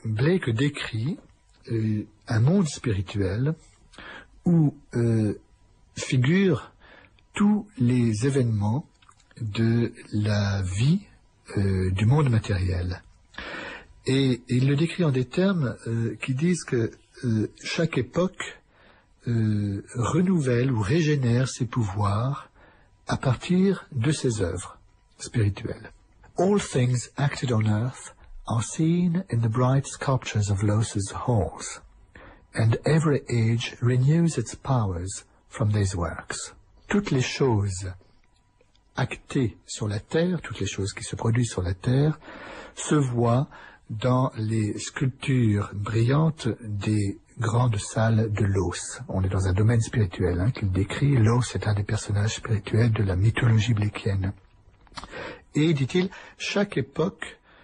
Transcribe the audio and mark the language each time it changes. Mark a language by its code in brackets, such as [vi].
[fr] Blake décrit un monde spirituel où figurent tous les événements de la vie du monde matériel. Et il le décrit en des termes qui disent que chaque époque renouvelle ou régénère ses pouvoirs à partir de ses œuvres spirituelles. [en] All things acted on earth are seen in the bright sculptures of Los's halls, and every age renews its powers from these works. [fr] Toutes les choses actées sur la terre, toutes les choses qui se produisent sur la terre, se voient dans les sculptures brillantes des grandes salles de Los. On est dans un domaine spirituel qu'il décrit. Los est un des personnages spirituels de la mythologie blakienne. Et, dit-il, chaque époque